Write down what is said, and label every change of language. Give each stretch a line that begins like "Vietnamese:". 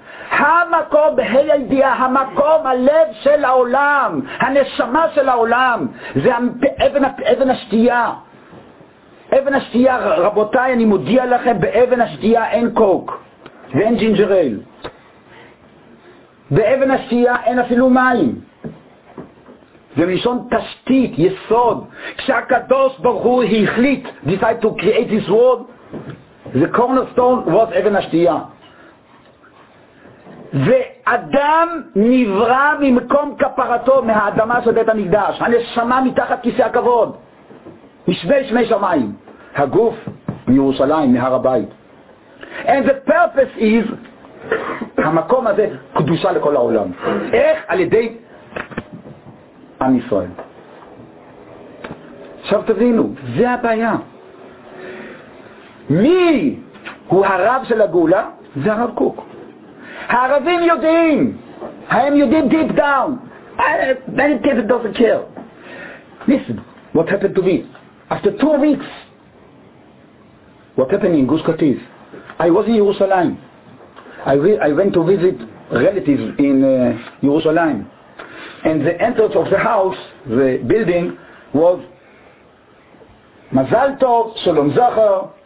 Hebrew: המקום, בהי הידיעה, המקום, הלב של העולם, הנשמה של העולם, זה אבן השתייה. אבן השתייה, רבותיי, אני מודיע לכם, באבן השתייה אין קוק ואין ג'ינג'ר אייל. באבן השתייה אין אפילו מים. זה מלשון תשתית, יסוד. כשהקדוש ברוך הוא החליט,
English: decided to create this world, the cornerstone was
Hebrew: אבן השתייה. ואדם נברא ממקום כפרתו, מהאדמה של בית המקדש, הנשמה מתחת כיסא הכבוד, משמי שמי שמיים. הגוף מירושלים, מהר הבית.
English: And the purpose is,
Hebrew: המקום הזה קדושה לכל העולם. איך? על ידי עם ישראל. עכשיו תבינו, זה הבעיה. מי הוא הרב של הגאולה? זה הרב קוק. הערבים יודעים, הם יודעים
English: deep down. Ben David doesn't care. Listen, what happened to me? After 2 weeks, what happened in Gush Katif? I was in Jerusalem. I went to visit relatives in Jerusalem. And the entrance of the house, the building, was Mazal Tov, Shalom Zachar.